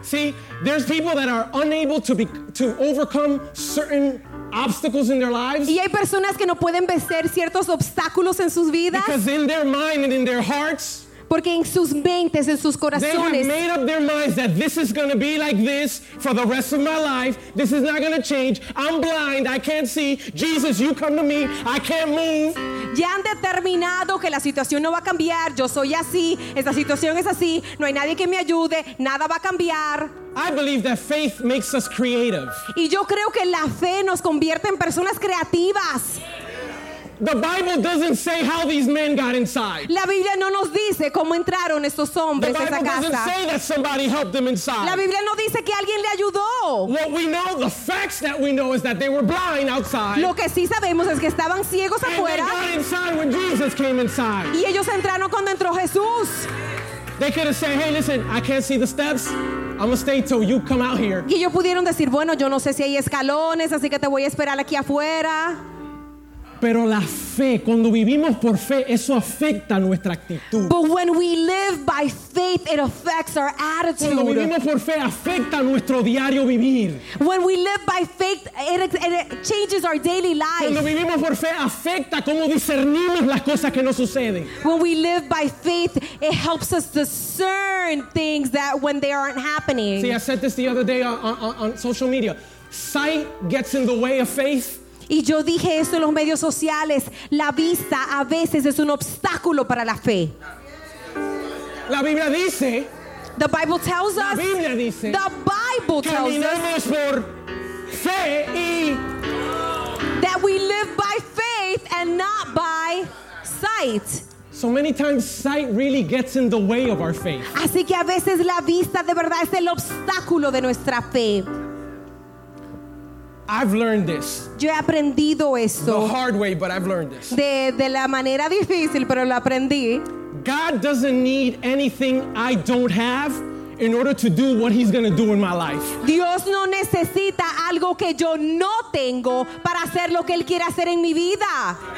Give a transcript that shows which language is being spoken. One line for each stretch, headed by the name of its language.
English: See, there's people that are unable to overcome certain obstacles in their lives.
Spanish: Y hay personas que no pueden vencer ciertos obstáculos en sus vidas.
English: Because in their mind and in their hearts.
Spanish: Porque en sus mentes, en sus corazones.
English: They have made up their minds that this is going to be like this for the rest of my life. This is not going to change. I'm blind. I can't see. Jesus, you come to me. I can't move.
Spanish: Ya han determinado que la situación no va a cambiar. Yo soy así. Esta situación es así. No hay nadie que me ayude. Nada va a cambiar.
English: I believe that faith makes us creative.
Spanish: Y yo creo que la fe nos convierte en personas creativas.
English: The Bible doesn't say how these men got inside.
Spanish: La Biblia no nos dice cómo entraron estos hombres a esa casa.
English: The Bible doesn't say that somebody helped them inside.
Spanish: La Biblia no dice que alguien le ayudó.
English: What we know, the facts that we know is that they were blind outside.
Spanish: Lo que sí sabemos es que estaban ciegos afuera.
English: And they got inside when Jesus came inside.
Spanish: Y ellos entraron cuando entró Jesús.
English: They could have said, "Hey, listen, I can't see the steps. I'm gonna stay till you come out here."
Spanish: Y ellos pudieron decir, "Bueno, yo no sé si hay escalones, así que te voy a esperar aquí afuera." Pero la fe, cuando vivimos por fe, eso afecta nuestra actitud.
English: But when we live by faith, it affects our attitude.
Spanish: Cuando vivimos por fe, afecta nuestro diario vivir.
English: When we live by faith, it changes our daily life.
Spanish: Cuando vivimos por fe, afecta cómo discernimos las cosas que no suceden.
English: When we live by faith, it helps us discern things that when they aren't happening. See, I said this the other day on social media. Sight gets in the way of faith.
Spanish: Y yo dije esto en los medios sociales. La vista a veces es un obstáculo para la fe. La Biblia dice.
English: The Bible tells us.
Spanish: La Biblia dice.
English: The Bible tells us.
Spanish: Caminamos por fe y.
English: That we live by faith and not by sight. So many times sight really gets in the way of our faith.
Spanish: Así que a veces la vista de verdad es el obstáculo de nuestra fe.
English: I've learned this.
Spanish: Yo he aprendido esto.
English: The hard way, but I've learned this.
Spanish: De la manera difícil, pero lo aprendí.
English: God doesn't need anything I don't have in order to do what he's going to do in my life.
Spanish: Dios no necesita algo que yo no tengo para hacer lo que él quiere hacer en mi vida.